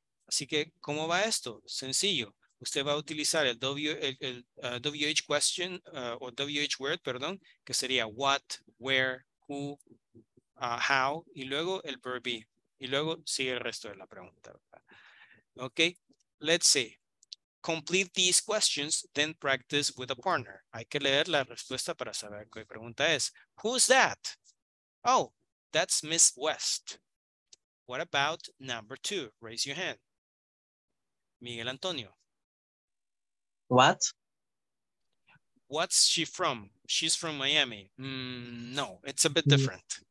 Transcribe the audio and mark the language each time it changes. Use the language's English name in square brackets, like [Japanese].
[Spanish] Así que, ¿cómo va esto? Sencillo. Usted va a utilizar el WH word, que sería what, where, who, how, y luego el verb be. Y luego sigue el resto de la pregunta. [English] Okay, let's see. Complete these questions, then practice with a partner. [Spanish] Hay que leer la respuesta para saber qué pregunta es. [English] Who's that? Oh, that's Miss West. What about number two? Raise your hand. Miguel Antonio. What? What's she from? She's from Miami. No, it's a bit different.